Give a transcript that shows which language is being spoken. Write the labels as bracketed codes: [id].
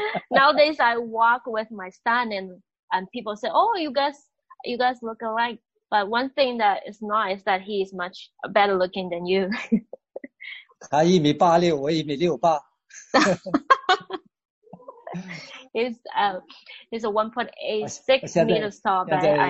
[en] Nowadays, I walk with my son, and people say, oh, you guys look alike. But one thing that is not is that he is much better looking than you. [zh] 他一米八六，我一米六八。 [en] He's a 1.86 meters tall, but I am